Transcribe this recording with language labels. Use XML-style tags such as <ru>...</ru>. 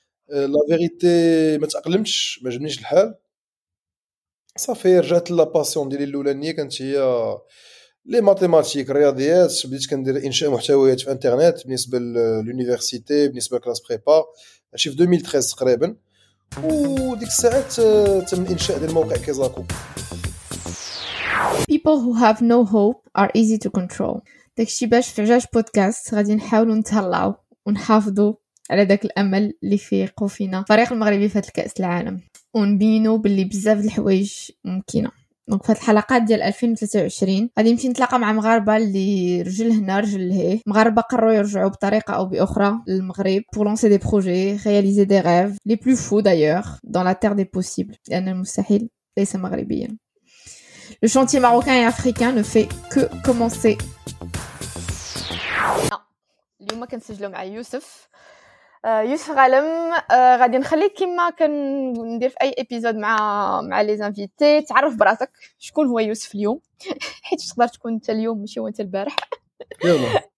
<ar>لا فيريتي ما تاقلمتش ما جبنيش الحال صافي رجعت لا باسيون ديالي الاولانيه كانت هي لي ماتيماتيك الرياضيات. بديت كندير انشاء محتويات في انترنت بالنسبه لليونيفرسيتي بالنسبه لكلاس بريبا هادشي في 2013 تقريبا وديك الساعات تم انشاء ديال الموقع كيزاكو.</ar> <en>People who have no hope are easy to control.</en> <ar>داكشي باش في عجاج بودكاست غادي نحاولوا نتهلاو ونحافظوا على داك الامل اللي فيقو فينا فريق المغربي في هاد الكاس العالم ونبينو باللي بزاف الحوايج ممكنه. دونك فهاد الحلقات ديال 2023 غادي نمشي نتلاقى مع مغاربه اللي رجل هنا رجل لهيه مغاربه قرروا يرجعوا بطريقه او باخرى للمغرب</ar> <fr>pour lancer des projets réaliser des rêves les plus fous d'ailleurs dans la terre des possibles</fr> <ar>لان المستحيل ليس مغربيا.</ar> <fr>Le chantier marocain et africain ne fait que commencer.</fr> <ar>اليوم كنسجلوا مع يوسف يوسف غالم. غادي نخليك كما كندير في اي ابيزود مع</ar> <fr>لي زانفيتي</fr> <ar>تعرف براسك شكون هو يوسف اليوم حيت تقدر تكون انت اليوم ماشي وانت البارح. يلا</ar>